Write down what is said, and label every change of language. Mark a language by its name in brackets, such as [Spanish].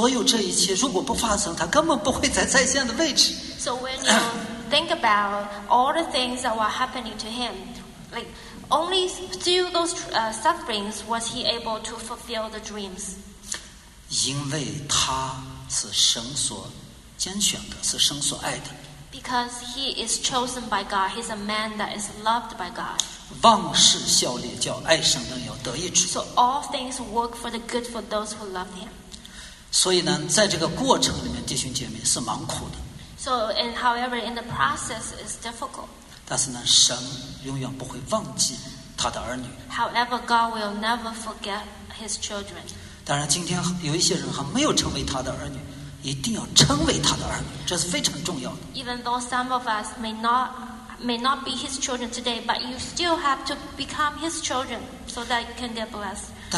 [Chinese] 那回头看的时候呢，所有这一切如果不发生，他根本不会在在现在的位置。 [English] So when you think about all the things that were happening to him, like only through those sufferings was he able to fulfill the dreams. [Chinese] 因为他是神所拣选的，是神所爱的。 [English] Because he is chosen by God, he's a man that is loved by God. [Chinese] 忘事效力，叫爱神的人要得益处。 [English] So all things work for the good for those who love him. [Chinese] 所以呢，在这个过程里面，弟兄姐妹是忙苦的。 [English] So and however, in the process, it's difficult. [Chinese] 但是呢，神永远不会忘记他的儿女。 [English] However, God will never forget his children. [Chinese] 当然，今天有一些人还没有成为他的儿女，一定要成为他的儿女，这是非常重要的。 [English] Even though some of us may not be his children today, but you still have to become his children so that you can get blessed.